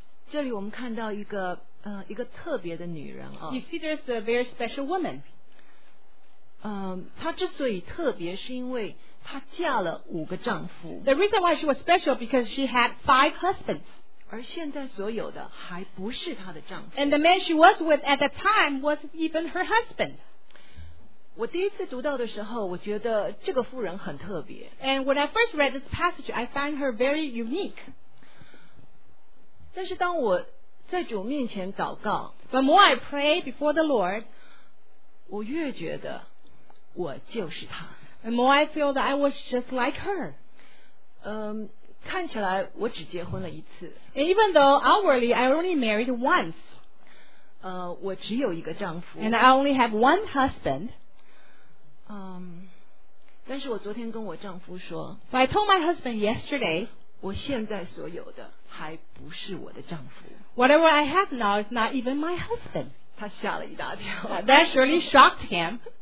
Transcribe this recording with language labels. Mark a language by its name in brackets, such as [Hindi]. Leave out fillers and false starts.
[Chinese] 这里我们看到一个特别的女人啊。 [English] You see, there's a very special woman. [Chinese] 她之所以特别是因为她嫁了五个丈夫。 [English] The reason why she was special because she had five husbands. [Chinese] 而现在所有的还不是她的丈夫。 [English] And the man she was with at the time wasn't even her husband. [Chinese] 我第一次读到的时候，我觉得这个妇人很特别。 [English] And when I first read this passage, I found her very unique. [Chinese] 但是当我在主面前祷告 [English] ，But more I pray before the Lord, [Chinese] 我越觉得我就是她。 [English] The more I feel that I was just like her. [Chinese] 看起来我只结婚了一次。 [English] And even though outwardly I only married once. [Chinese] 我只有一个丈夫。 [English] And I only have one husband. [Chinese] 但是我昨天跟我丈夫说。 [English] But I told my husband yesterday. [Chinese] 我现在所有的还不是我的丈夫。 [English] Whatever I have now is not even my husband. [Chinese] 他吓了一大跳。 [English] That surely shocked him.